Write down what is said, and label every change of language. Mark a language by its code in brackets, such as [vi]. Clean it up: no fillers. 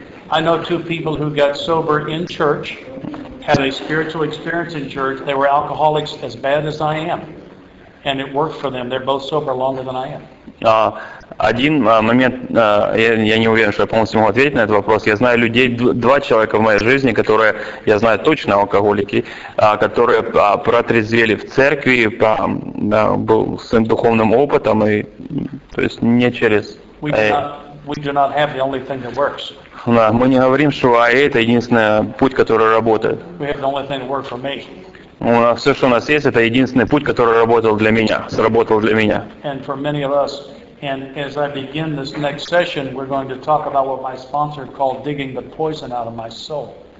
[en] And I know two people who got sober in church, had a spiritual experience in church. They were alcoholics as bad as I am, and it worked for them. They're both sober longer than I am. [ru] Один момент, я не уверен, что я полностью могу ответить на этот вопрос. Я знаю людей, два человека в моей жизни, которые, я знаю точно, алкоголики, которые протрезвели в церкви, был своим духовным опытом, и то есть не через... [en] We do not have the only thing that works. [ru] Да, мы не говорим, что это единственный путь, который работает. [en] We have the only thing that worked for me. [ru] У нас все, что у нас есть, это единственный путь, который работал для меня, сработал для меня. [en] And for many of us, and as I begin this next session, we're going to talk about what my sponsor called digging the poison out of my soul.